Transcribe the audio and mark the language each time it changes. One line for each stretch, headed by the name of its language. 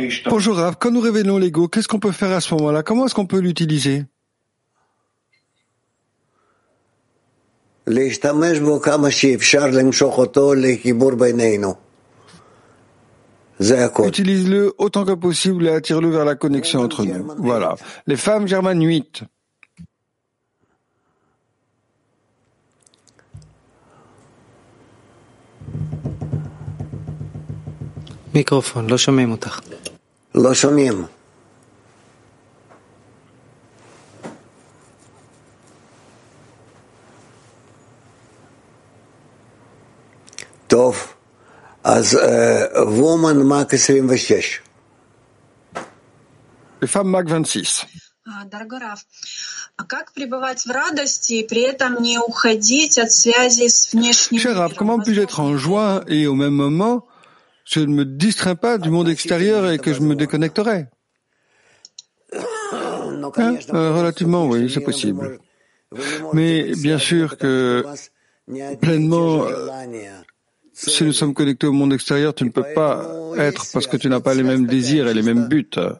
French: Bonjour Rav, quand nous révélons l'ego, qu'est-ce qu'on peut faire à ce moment-là? Comment est-ce qu'on peut l'utiliser?
Hebrew: להשתמש בו כמה שאפשר למשוך אותו לחיבור בינינו.
French: Utilise-le autant que possible et attire-le vers la connexion entre nous. Voilà. Les femmes germanes 8.
Hebrew: Microphone, לא שומעים אותך. לא שומעים. טוב. אז וומן מק 26. לפעם מק 26.
Russian: Дорогой Раф, а как пребывать в радости и при этом не уходить от связи с внешним миром?
French: Cher Раф, comment puis-je être en joie et au même moment je ne me distrains pas du monde extérieur et que je me déconnecterai? Hein? Relativement, oui, c'est possible. Mais bien sûr que pleinement, si nous sommes connectés au monde extérieur, tu ne peux pas être parce que tu n'as pas les mêmes désirs et les mêmes buts.